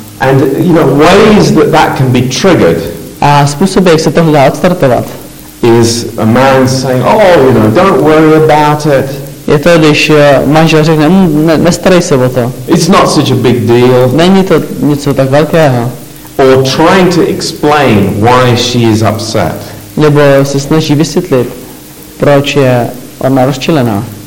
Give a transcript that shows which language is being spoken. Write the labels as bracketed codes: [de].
[en] And you know, ways that can be triggered. [cs] A způsoby, jak se tohle dá odstartovat. [en] Is a man saying, oh, you know, don't worry about it. [cs] Je to, když manžel řekne, nestarej se o to. [en] It's not such a big deal. [cs] Není to něco tak velkého. [en] Or trying to explain why she is upset. [cs] Nebo se snaží vysvětlit, proč je ona rozčilená.